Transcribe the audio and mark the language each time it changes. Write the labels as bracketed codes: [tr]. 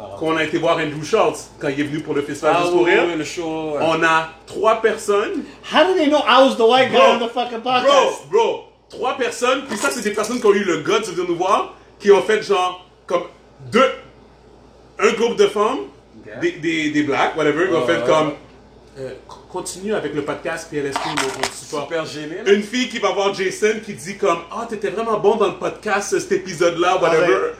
[fr] Qu'on a été voir Andrew Schultz quand il est venu pour le festival Juste pour rire. Le show, ouais. On a trois personnes. [en] How did they know I was the white guy on the fucking podcast? [fr] Bro, trois personnes. Puis ça, c'est des personnes qui ont eu le gars de venir nous voir, qui ont fait genre comme deux, un groupe de femmes, des blacks, whatever, qui ont fait comme continue avec le podcast PLSP, mon support. Super gêné. Une fille qui va voir Jason qui dit comme ah, t'étais vraiment bon dans le podcast cet épisode là, whatever.